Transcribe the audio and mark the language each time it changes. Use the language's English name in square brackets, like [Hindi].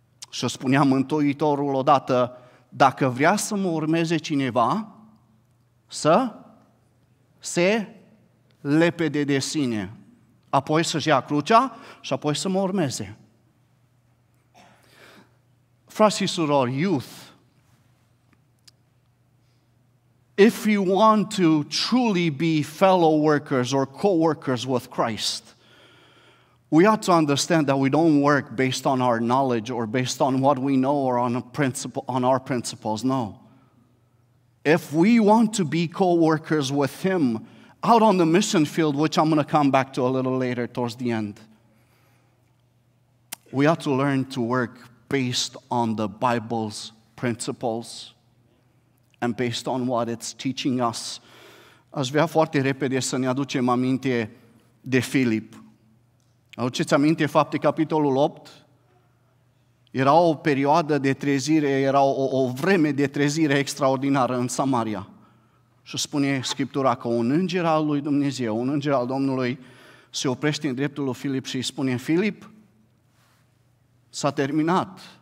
[Romanian] Și spunea Mântuitorul odată, dacă vrea să mă urmeze cineva, să se lepede de sine, apoi să-și ia crucea și apoi să mă urmeze. Frați și surori, [English] youth, if you want to truly be fellow workers or co-workers with Christ, we ought to understand that we don't work based on our knowledge or based on what we know or on our principles, no. If we want to be co-workers with Him out on the mission field, which I'm going to come back to a little later towards the end, we ought to learn to work based on the Bible's principles and based on what it's teaching us. [Romanian] Aș vrea foarte repede să ne aducem aminte de Filip. Aduceți aminte Fapte capitolul 8? Era o perioadă de trezire, era o vreme de trezire extraordinară în Samaria. Și spune Scriptura că un înger al lui Dumnezeu, un înger al Domnului, se oprește în dreptul lui Filip și îi spune, Filip, s-a terminat.